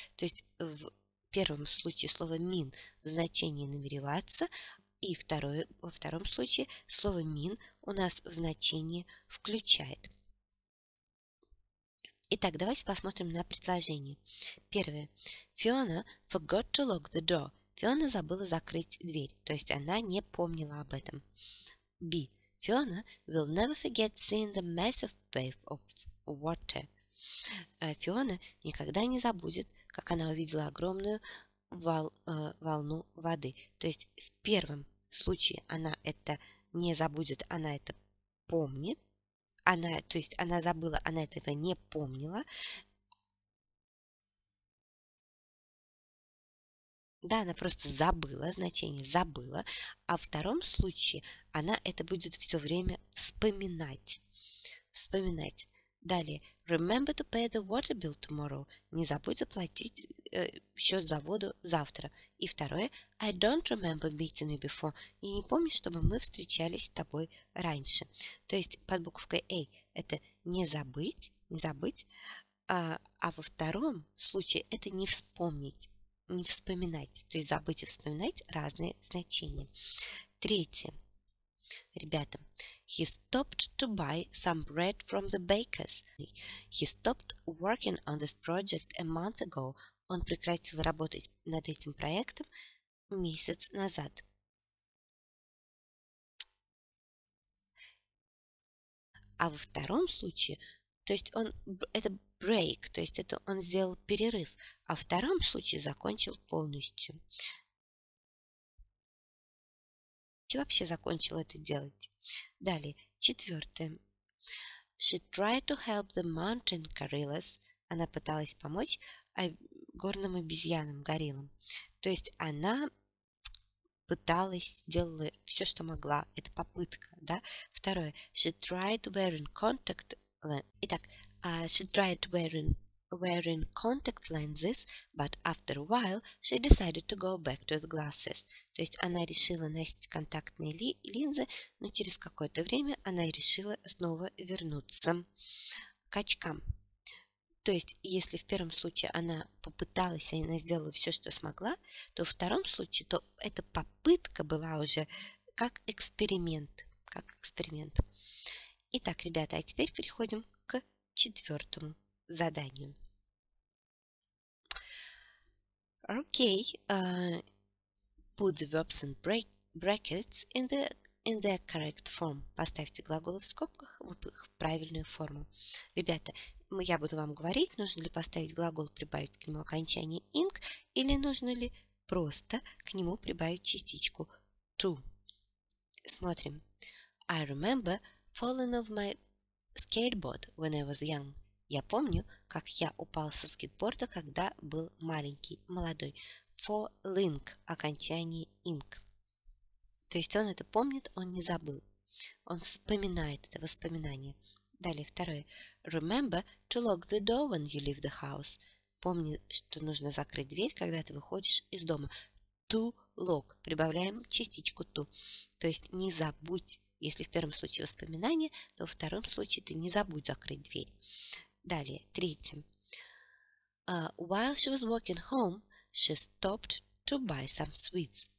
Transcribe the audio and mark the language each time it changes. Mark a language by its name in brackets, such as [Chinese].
[Russian] То есть в первом случае слово mean в значении намереваться, и второе, во втором случае слово mean у нас в значении включает. Итак, давайте посмотрим на предложение. Первое. [English] Fiona forgot to lock the door. [Russian] Фиона забыла закрыть дверь, то есть она не помнила об этом. [English] B. Fiona will never forget seeing the massive wave of water. [Russian] Фиона никогда не забудет, как она увидела огромную волну воды. То есть в первом случае она это не забудет, она это помнит. То есть она забыла, она этого не помнила. Да, она просто забыла, значение забыла. А во втором случае она это будет все время вспоминать. Вспоминать. Далее. [English] Remember to pay the water bill tomorrow. [Russian] Не забудь заплатить счет за воду завтра. И второе. [English] I don't remember meeting you before. [Russian] И не помню, чтобы мы встречались с тобой раньше. То есть под буковкой A это не забыть, не забыть. А во втором случае это не вспомнить. Не вспоминать, то есть забыть и вспоминать разные значения. Третье. Ребята, [English] He stopped to buy some bread from the bakers. He stopped working on this project a month ago. [Russian] Он прекратил работать над этим проектом месяц назад. А во втором случае, то есть он, это break, то есть это он сделал перерыв, а во втором случае закончил полностью. Че вообще закончил это делать? Далее, четвертое. [English] She tried to help the mountain gorillas. [Russian] Она пыталась помочь горным обезьянам, гориллам. То есть она пыталась, делала все, что могла. Это попытка, да? Второе. [English] She tried wearing contact lenses. [Russian] Итак, [English] she tried wearing contact lenses, but after a while she decided to go back to the glasses. [Russian] То есть она решила носить контактные линзы, но через какое-то время она решила снова вернуться к очкам. То есть, если в первом случае она попыталась, она сделала все, что смогла, то во втором случае, то эта попытка была уже как эксперимент. Как эксперимент. Итак, ребята, а теперь переходим к четвертому заданию. Окей. [English] Put the verbs in brackets in the correct form. [Russian] Поставьте глаголы в скобках в их правильную форму. Ребята, я буду вам говорить, нужно ли поставить глагол, прибавить к нему окончание ing, или нужно ли просто к нему прибавить частичку to. Смотрим. [English] I remember falling off my skateboard when I was young. [Russian] Я помню, как я упал со скейтборда, когда был маленький, молодой. Falling, окончание ing. То есть он это помнит, он не забыл. Он вспоминает это воспоминание. Далее, второе. [English] Remember to lock the door when you leave the house. [Russian] Помни, что нужно закрыть дверь, когда ты выходишь из дома. [English] To lock. [Russian] Прибавляем частичку to. То есть не забудь. Если в первом случае воспоминание, то во втором случае ты не забудь закрыть дверь. Далее, третье. [English] While she was walking home, she stopped to buy some sweets.